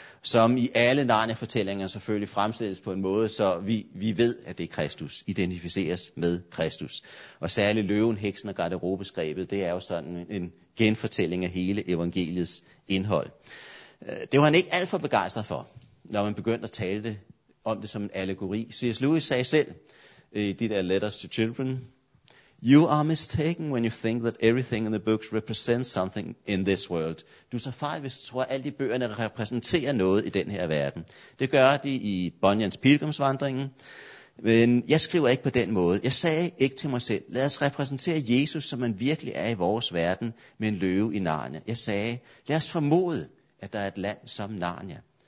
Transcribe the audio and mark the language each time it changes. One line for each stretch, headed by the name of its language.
Danish: Som i alle Narnia-fortællinger selvfølgelig fremstilles på en måde, så vi ved, at det er Kristus, identificeres med Kristus. Og særligt løven, heksen og garderobeskrebet, det er jo sådan en genfortælling af hele evangeliets indhold. Det var han ikke alt for begejstret for, når man begyndte at tale det, om det som en allegori. C.S.
English: Lewis
Danish: sagde selv i de der
English: Letters to Children, "You are mistaken when you think that everything in the books represents something in this world."
Danish: Du tager fejl, hvis du tror, at alle de bøgerne repræsenterer noget i den her verden. Det gør de i Bunyans Pilgrimsvandringen. Men jeg skriver ikke på den måde. Jeg sagde ikke til mig selv, lad os repræsentere Jesus, som han virkelig er i vores verden, med en løve i Narnia. Jeg sagde, lad os formode, at der er et land som Narnia.